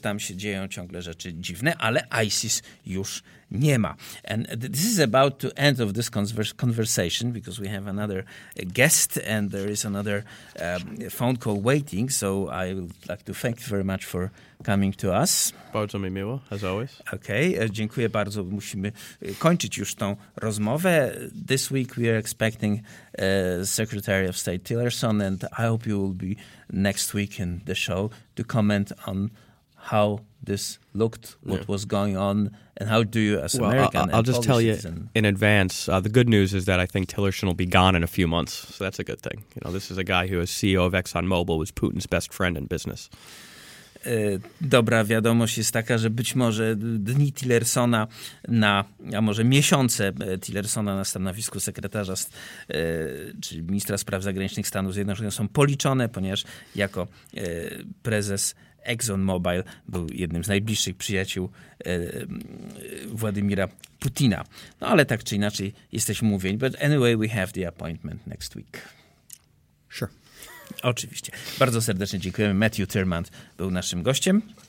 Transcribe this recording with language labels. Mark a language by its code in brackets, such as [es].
[pl] Tam się dzieją ciągle rzeczy dziwne, ale ISIS już nie ma. [en] And this is about to end of this conversation because we have another guest and there is another phone call waiting. So I would like to thank you very much for coming to us. [pl] Bardzo mi miło, [en] as always. [pl] Okay, dziękuję bardzo. Musimy kończyć już tą rozmowę. [en] This week we are expecting Secretary of State Tillerson, and I hope you will be next week in the show to comment on how this looked, what was going on, and how do you, as well, American, I'll just tell you in advance, the good news is that I think Tillerson will be gone in a few months, so that's a good thing. You know, this is a guy who, as CEO of ExxonMobil, was Putin's best friend in business. [pl] Dobra wiadomość jest taka, że być może dni Tillersona a może miesiące Tillersona na stanowisku sekretarza, czy ministra spraw zagranicznych Stanów Zjednoczonych są policzone, ponieważ jako prezes ExxonMobil był jednym z najbliższych przyjaciół Władimira Putina. No ale tak czy inaczej jesteśmy mówieni. [en] But anyway, we have the appointment next week. Sure. [pl] Oczywiście. Bardzo serdecznie dziękujemy. Matthew Thurmond był naszym gościem.